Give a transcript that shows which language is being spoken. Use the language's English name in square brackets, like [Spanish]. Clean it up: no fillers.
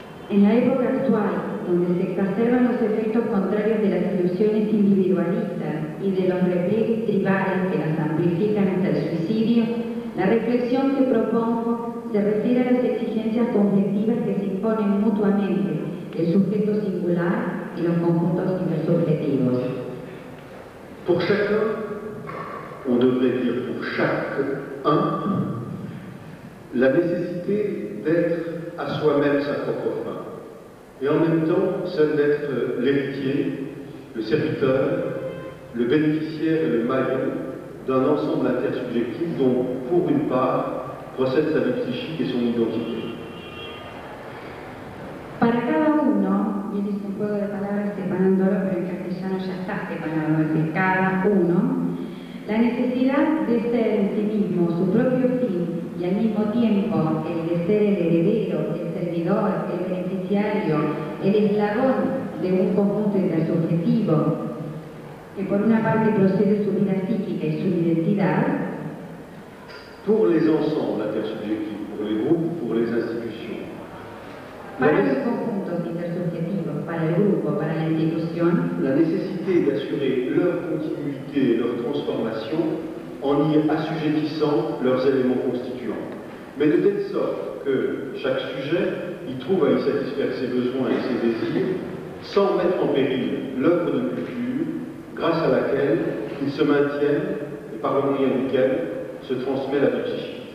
[Spanish] En la época actual, donde se exacerban los efectos contrarios de las ilusiones individualistas y de los repliegues tribales que las amplifican hasta el suicidio, la reflexión que propongo se refiere a las exigencias conflictivas que se imponen mutuamente el sujeto singular y los conjuntos intersubjetivos. [French] Pour chacun, on devrait dire pour chaque un, la nécessité d'être à soi-même sa propre fin, et en même temps celle d'être l'héritier, le serviteur, le bénéficiaire et le maillon d'un ensemble intersubjectif dont, pour une part, procède sa vie psychique et son identité. [Spanish] Para cada uno, y en este juego de palabras separándolo, pero en castellano ya está separado, es de cada uno, la necesidad de ser en sí mismo su propio fin y al mismo tiempo el de ser el heredero, el servidor, el beneficiario, el eslabón de un conjunto intersubjetivo que por una parte procede su vida psíquica y su identidad. [French] Pour les ensembles intersubjectifs, pour les groupes, pour les institutions. [Spanish] Para los conjuntos intersubjetivos, para el grupo, para la institución. [French] La nécessité d'assurer leur continuité et leur transformation en y assujettissant leurs éléments constituants. Mais de telle sorte que chaque sujet y trouve à y satisfaire ses besoins et ses désirs, sans mettre en péril l'œuvre de culture grâce à laquelle ils se maintiennent et par le moyen duquel se transmet la psychique.